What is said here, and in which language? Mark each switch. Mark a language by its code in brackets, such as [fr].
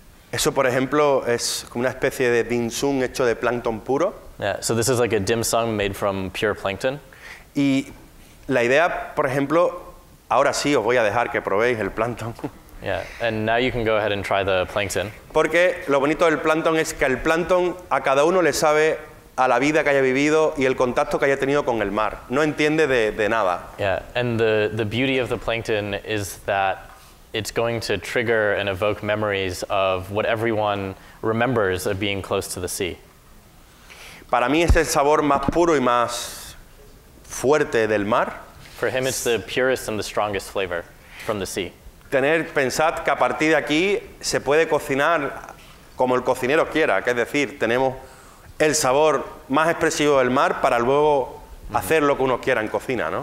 [es] Eso, por ejemplo, es como una especie de dim sum hecho de plancton puro. [en] Yeah, so this is like a dim sum made from pure plankton. [es] Y la idea, por ejemplo, ahora sí os voy a dejar que probéis el plancton. [en] Yeah, and now you can go ahead and try the plankton. [es] Porque lo bonito del plancton es que el plancton a cada uno le sabe a la vida que haya vivido y el contacto que haya tenido con el mar. No entiende de nada. [en] Yeah, and the beauty of the plankton is that it's going to trigger and evoke memories of what everyone remembers of being close to the sea. [es] Para mí es el sabor más puro y más fuerte del mar. [en] For him, it's the purest and the strongest flavor from the sea. [es] Pensad que a partir de aquí se puede cocinar como el cocinero quiera, que es decir, tenemos el sabor más expresivo del mar para luego hacer lo que uno quiera en cocina, ¿no?